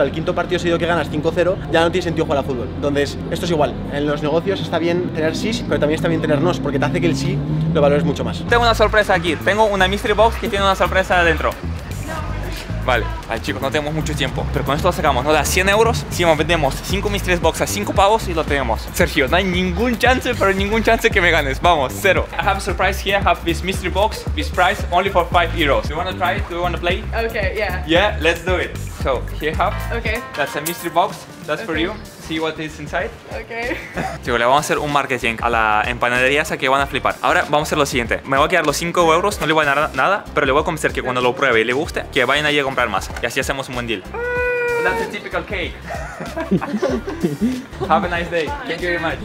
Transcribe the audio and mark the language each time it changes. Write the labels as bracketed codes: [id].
[es] Al quinto partido seguido que ganas 5-0, ya no tiene sentido jugar a fútbol. Entonces, esto es igual, en los negocios está bien tener sí, pero también está bien tener no, porque te hace que el sí lo valores mucho más. Tengo una sorpresa aquí, tengo una mystery box que tiene una sorpresa adentro. Vale, ay, chicos, no tenemos mucho tiempo, pero con esto lo sacamos, nos da 100 euros, si vendemos 5 mystery box a 5 pavos y lo tenemos. Sergio, no hay ningún chance, pero ningún chance que me ganes, vamos, cero. [en] I have a surprise here, I have this mystery box, this prize only for 5 euros. Do you want to try it? Do you want to play? Okay, yeah. Yeah, let's do it. So, here have, okay. That's a mystery box, that's okay. For you. See what is inside. Okay. [es] Chicos, le vamos a hacer un marketing a la empanadería esa que van a flipar. Ahora vamos a hacer lo siguiente. Me voy a quedar los 5 euros, no le voy a dar nada, pero le voy a convencer que cuando lo pruebe y le guste, que vayan allí a comprar más. Y así hacemos un buen deal. [en] That's a typical cake. Have a nice day. Thank you very much.